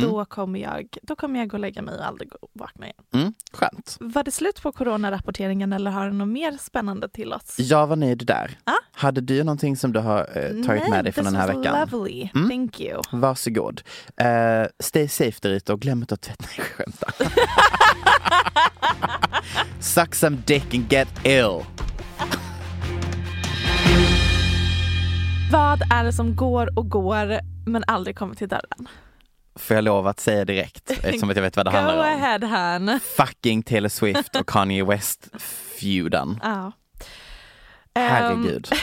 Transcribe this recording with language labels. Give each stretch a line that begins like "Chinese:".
Swedish: Då kommer jag gå och lägga mig och aldrig gå och vakna igen. Mm. Skönt. Var det slut på coronarapporteringen eller har du något mer spännande till oss? Jag var nöjd där. Ah? Hade du någonting som du har tagit Nej, med dig från den här veckan? Nej,
English: this was lovely. Mm? Thank you.
Swedish: Varsågod.
English: Stay safe
Swedish: där ute och glöm inte att tvätta. Skönt.
English: Suck some dick and get ill.
Swedish: Vad är det som går och går men aldrig kommer till dörren? Får jag lov att säga direkt eftersom jag vet vad det handlar om.
English: Go ahead, hon.
Swedish: Fucking Taylor Swift och Kanye West feuden. Ja. Herregud.